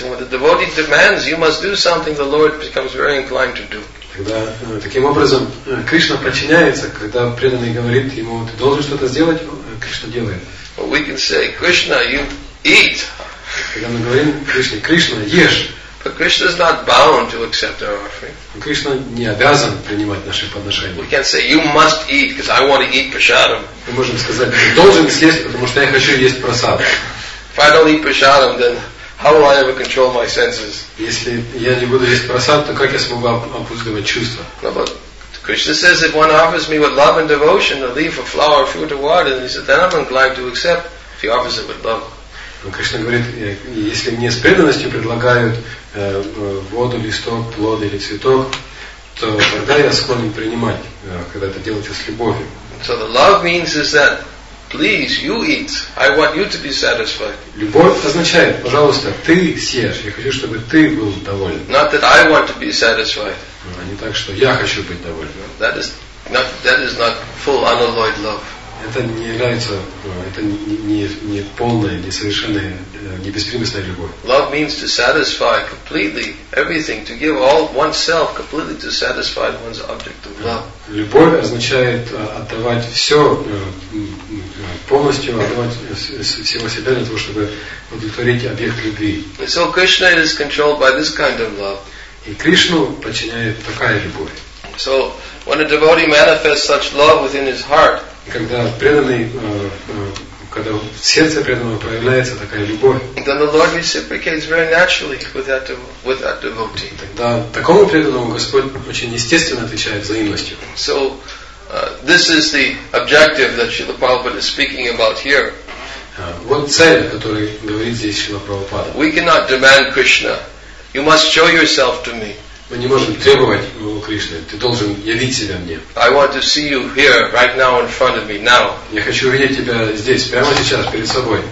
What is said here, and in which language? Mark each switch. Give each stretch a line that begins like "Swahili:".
English: When the devotee demands, "You must do something," the Lord becomes very inclined to do.
Russian: Тогда таким образом Кришна подчиняется, когда преданный говорит ему, "Ты должен что-то сделать," Кришна делает.
English: But we can say, "Krishna, you eat."
Russian: Когда мы говорим Кришне, "Кришна, ешь."
English: But Krishna is not bound to accept our offering.
Russian: Кришна не обязан принимать наши подношения.
English: We can say you must eat because I want to eat prasadam.
Russian: Мы можем сказать, ты должен съесть, потому что я хочу есть прасад.
English: If I don't eat prasadam, then how will I ever control my senses?
Russian: Если я не буду есть прасад, то как я смогу обуздывать чувства?
English: Krishna says, if one offers me with love and devotion, a leaf, a flower, fruit, or water, he said, then I'm inclined to accept if he offers it with love.
Russian: Кришна говорит, если мне с преданностью предлагают воду, листок, плод или цветок, то тогда я склонен принимать, когда это делается с любовью.
English: So the love means is that, please, you eat. I want you to be satisfied.
Russian: Любовь означает, пожалуйста, ты съешь. Я хочу, чтобы ты был доволен.
English: Not that I want to be satisfied.
Russian: А не так, что я хочу быть доволен.
English: That is not full unalloyed love.
Russian: Это не является, это не полная, не совершенная, не беспримесная любовь.
English: Love means to satisfy completely everything, to give all oneself completely to satisfy one's object of love.
Russian: Любовь означает отдавать все полностью, отдавать всего себя для того, чтобы удовлетворить объект любви.
English: And so Krishna is controlled by this kind of love.
Russian: И Кришну подчиняет такая любовь.
English: So when a devotee manifests such love within his heart.
Russian: Когда преданный, когда в сердце преданного проявляется такая любовь,
English: then the Lord reciprocates very naturally with that devotee.
Russian: Тогда такому преданному Господь очень естественно отвечает взаимностью.
English: So, this is the objective that Srila Prabhupada is speaking about here.
Russian: Вот цель, о которой говорит здесь Шрила Прабхупада.
English: We cannot demand Krishna. You must show yourself to me.
Russian: Мы не можем требовать у Кришны. Ты должен явить себя мне.
English: I want to see you here, right now, in front of me, now.
Russian: Я хочу увидеть тебя здесь, прямо сейчас, перед собой.